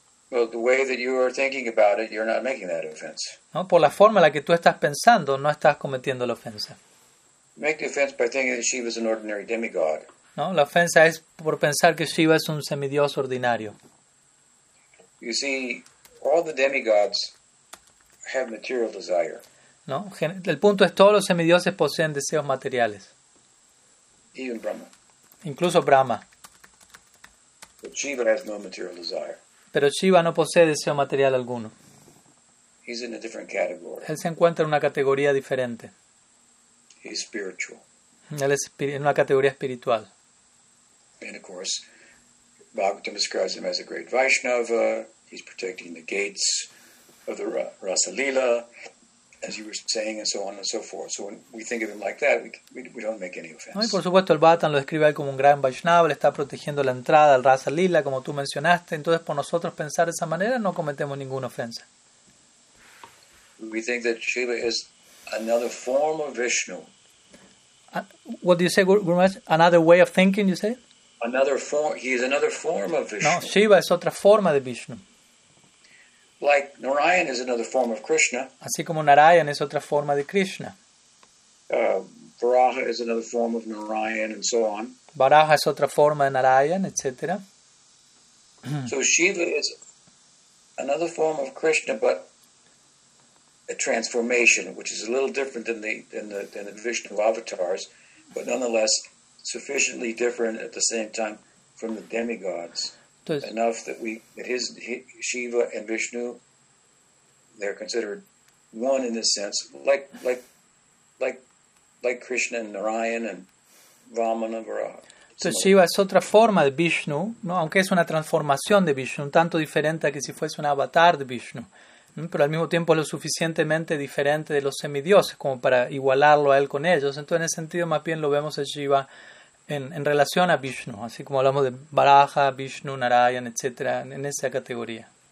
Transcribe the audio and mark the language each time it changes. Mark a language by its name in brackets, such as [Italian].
[English] Well, the way that you are thinking about it, you're not making that offense. [Spanish] ¿No? Por la forma en la que tú estás pensando, no estás cometiendo la ofensa. [English] Make the offense by thinking that Shiva is an ordinary demigod. [Spanish] No, la ofensa es por pensar que Shiva es un semidios ordinario. [English] You see, all the demigods have material desire. [Spanish] No, el punto es todos los semidioses poseen deseos materiales. [English] Even Brahma. [Spanish] Incluso Brahma. [English] But Shiva has no material desire. [Spanish] Pero Shiva no posee deseo material alguno. [English] He's in a different category. [Spanish] Él se encuentra en una categoría diferente. [English] He's spiritual. [Spanish] Él es en una categoría espiritual. [English] And of course, Bhagavatam describes him as a great Vaishnava. He's protecting the gates of the Rasalila, as you were saying, and so on and so forth. So when we think of him like that, we don't make any offense. [Spanish] Y por supuesto, el Bhagavatam lo describe como un gran Vaishnava. Le está protegiendo la entrada al Rasalila, como tú mencionaste. Entonces, por nosotros pensar de esa manera, no cometemos ninguna ofensa. [English] We think that Shiva is another form of Vishnu. What do you say, Guru Maharaj? Another way of thinking, you say? Another form. He is another form of Vishnu. [Spanish] No, Shiva es otra forma de Vishnu. [English] Like Narayan is another form of Krishna. [Spanish] Así como Narayan es otra forma de Krishna. [English] Varaha is another form of Narayan, and so on. [Spanish] Varaha es otra forma de Narayan, etc. [English] So Shiva is another form of Krishna, but a transformation, which is a little different than the Vishnu avatars, but nonetheless sufficiently different at the same time from the demigods. Entonces, enough that Shiva and Vishnu, they're considered one in this sense, like Krishna and Narayan and Vamana Varaha. [Spanish] Entonces Shiva es otra forma de Vishnu, ¿no? Aunque es una transformación de Vishnu, un tanto diferente a que si fuese un avatar de Vishnu, ¿no? Pero al mismo tiempo es lo suficientemente diferente de los semidioses como para igualarlo a él con ellos. Entonces en ese sentido más bien lo vemos a Shiva en relación a Vishnu, así como hablamos de Varaha, Vishnu, Narayan, etcétera, en esa categoría.